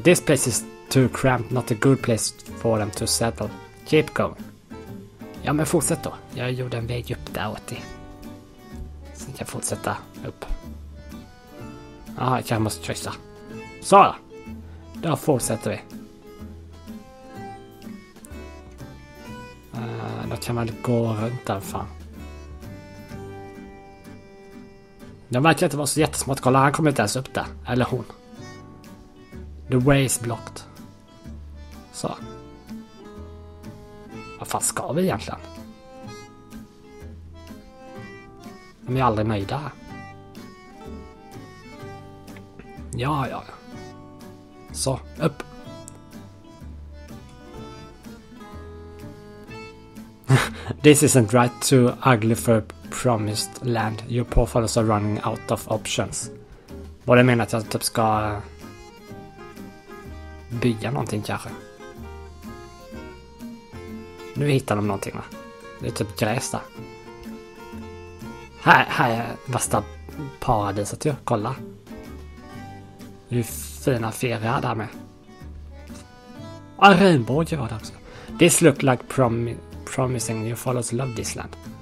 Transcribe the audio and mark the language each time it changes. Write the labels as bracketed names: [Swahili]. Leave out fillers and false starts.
[English] This place is too cramped, not a good place for them to settle. Keep going. [Swedish] Ja, men fortsätt då. Jag gjorde en väg upp där åt dig. Sen kan jag fortsätta upp. Jaha, jag kanske måste kryssa. Så då. Då fortsätter vi. Då kan man gå runt där, fan. De verkar inte vara så jättesmart. Kolla, han kommer inte ens upp där. Eller hon. [English] The way is blocked. [Swedish] Så. Vad fan ska vi egentligen? De är aldrig nöjda. Ja, ja. Så, upp. [English] This isn't right, too ugly for a promised land. Your poor fathers are running out of options. [Swedish] Vad det menar att jag typ ska bygga någonting kanske. Nu hittar de någonting va? Det är typ gräs där. Här är värsta paradiset ju, kolla. Det är fina fjärilar där med. Ah, regnbåge var det också. [English] This looked like promising your followers love this land.